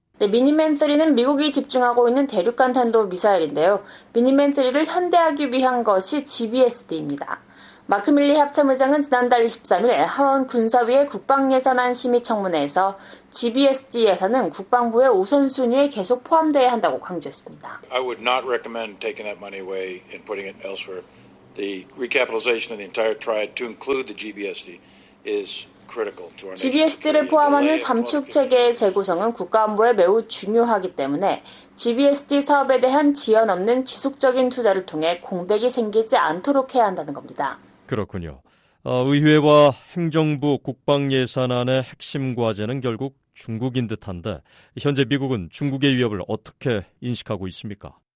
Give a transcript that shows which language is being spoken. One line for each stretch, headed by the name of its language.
Korean: 네, 미니맨3는 미국이 집중하고 있는 대륙간 탄도 미사일인데요. 미니맨3를 현대하기 위한 것이 GBSD입니다. 마크 밀리 합참의장은 지난달 23일 하원 군사위의 국방예산안 심의청문회에서 GBSD 예산은 국방부의 우선순위에 계속 포함되어야 한다고 강조했습니다.
English: I would not recommend taking that money away and putting it elsewhere. The recapitalization of the entire triad to include the GBSD is
Korean: GBSD를 포함하는 3축 체계의 재구성은 국가안보에 매우 중요하기 때문에 GBSD 사업에 대한 지연 없는 지속적인 투자를 통해 공백이 생기지 않도록 해야 한다는 겁니다. 그렇군요. 의회와 행정부 국방예산안의 핵심 과제는 결국 중국인 듯한데 현재 미국은 중국의 위협을 어떻게 인식하고 있습니까?